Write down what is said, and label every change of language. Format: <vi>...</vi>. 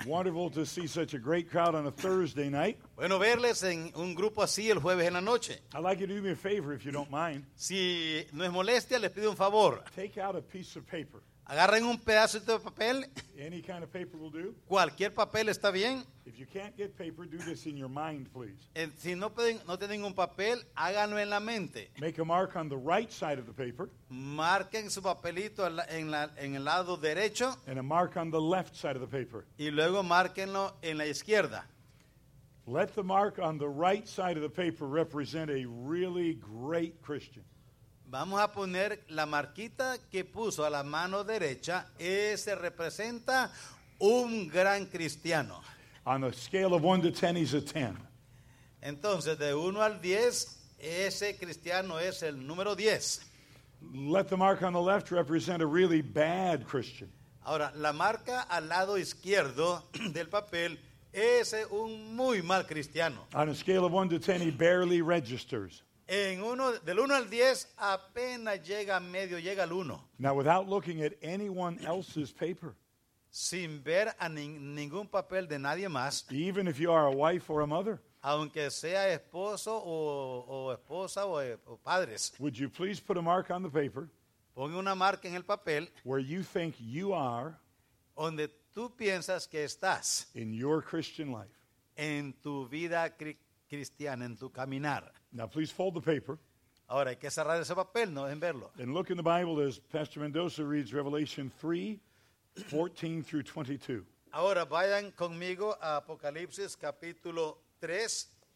<en>Wonderful to see such a great crowd on a Thursday night.</en> <es>Bueno verles en un grupo así el jueves en la noche.</es> <en>I'd like you to do me a favor if you don't mind.</en> <es>Si no es molestia, les pido un favor.</es> <en>Take out a piece of paper.</en> <es>Agarren un pedazo de papel.</es> <en>Any kind of paper will do.</en> <es>Cualquier papel está bien.</es> <en>If you can't get paper, do this in your mind, please.</en> <es>Si no pueden, no tienen un papel, háganlo en la mente.</es> <en>Make a mark on the right side of the paper.</en> <es>Marquen su papelito en el lado derecho.</es> <en>And a mark on the left side of the paper.</en> <es>Y luego márquenlo en la izquierda.</es> <en>Let the mark on the right side of the paper represent a really great Christian.</en> <es>Vamos a poner la marquita que puso a la mano derecha. Ese representa un gran cristiano.</es> <en>On a scale of 1 to 10, he's a 10.</en> <es>Entonces, de 1 al 10, ese cristiano es el número 10.</es> <en>Let the mark on the left represent a really bad Christian.</en> <es>Ahora, la marca al lado izquierdo del papel es un muy mal cristiano.</es> <en>On a scale of 1 to 10, he barely registers.</en> <es>En uno, del 1 al 10, apenas llega a medio, llega al 1.</es> <en>Now, without looking at anyone else's paper.</en> <es>Sin ver a ningún papel de nadie más.</es> <en>Even if you are a wife or a mother.</en> <es>Aunque sea esposo o esposa o padres.</es> <en>Would you please put a mark on the paper.</en> <es>Ponga una marca en el papel.</es> <en>Where you think you are.</en> <es>Donde tú piensas que estás.</es> <en>In your Christian life.</en> <es>En tu vida cristiana, en tu caminar.</es> <en>Now please fold the paper.</en> <es>Ahora hay que cerrar ese papel, no dejen verlo.</es> <en>And look in the Bible as Pastor Mendoza reads Revelation 3. 14 through 22.</en> <es>Ahora vayan conmigo a Apocalipsis capítulo 3.</es>